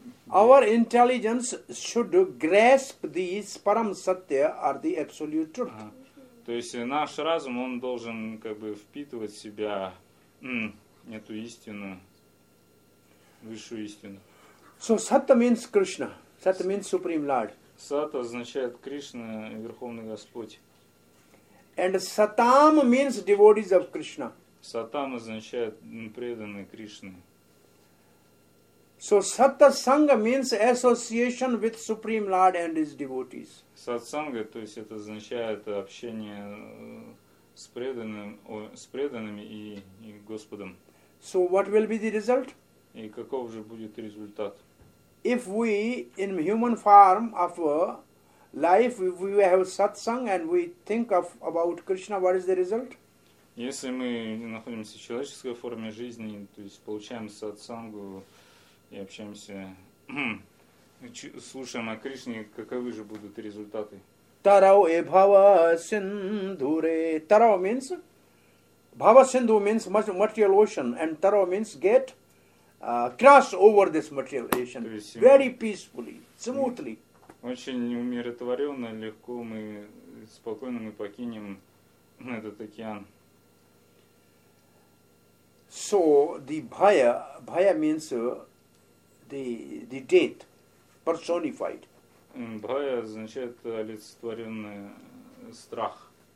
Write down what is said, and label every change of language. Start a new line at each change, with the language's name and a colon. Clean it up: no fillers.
English: Our intelligence should grasp these param satya or the absolute truth.
Russian: То есть наш разум, он должен как бы впитывать в себя эту истину, высшую истину.
English: So satya means Krishna. Satya means Supreme Lord.
Russian: Сата означает Кришна, Верховный Господь.
English: And satam means devotees of Krishna.
Russian: Сатам означает преданные Кришны.
English: So satsanga means association with Supreme Lord and his devotees.
Russian: Satsanga, то есть это означает общение с преданными и Господом.
English: So what will be the result?
Russian: И каков же будет результат?
English: If we in human form of life if we have satsanga and we think of about Krishna, what is the result?
Russian: Если мы находимся в человеческой форме жизни, то есть получаем сатсангу и общаемся, слушаем о Кришне, каковы же будут результаты?
Sanskrit: Тарау и бхава синдуре.
English: Тарау means? Бхава синдуре means material ocean. And тарау means get, cross over this material ocean. Very peacefully, smoothly.
Russian: Очень умиротворенно, легко мы, спокойно мы покинем этот океан.
English: So the bhaya means the death personified.
Russian: Bhaya означает олицетворенный страх.